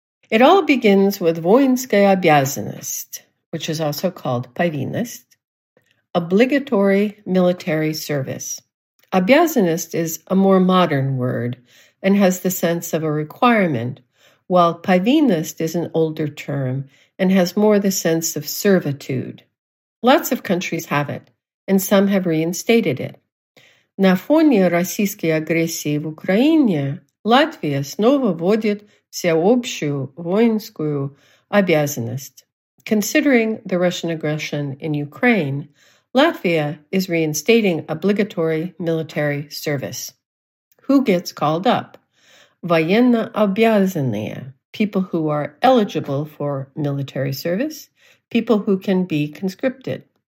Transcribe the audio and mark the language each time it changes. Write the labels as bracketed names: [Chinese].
[English] It all begins with [Russian] воинская обязанность, [English] which is also called [Russian] повинность, [English] obligatory military service. [Russian] Обязанность [English] is a more modern word and has the sense of a requirement, while [Russian] повинность [English] is an older term and has more the sense of servitude. Lots of countries have it, and some have reinstated it. [Russian] На фоне российской агрессии в Украине Латвия снова вводит всеобщую воинскую обязанность. [English] Considering the Russian aggression in Ukraine, Latvia is reinstating obligatory military service. Who gets called up? [Russian] Военно обязанные, [English] people who are eligible for military service, people who can be conscripted.